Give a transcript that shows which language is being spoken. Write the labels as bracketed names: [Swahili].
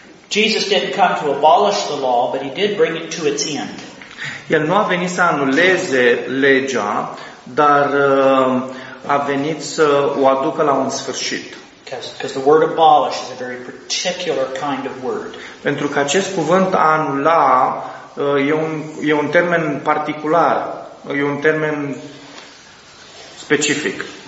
[English] Jesus didn't come to abolish the law, but he did bring it to its end. [Romanian] El nu a venit să anuleze legea, dar a venit să o aducă la un sfârșit. [English] Because the word abolish is a very particular kind of word. [Romanian] Pentru că acest cuvânt anula e un termen particular, e un termen specific.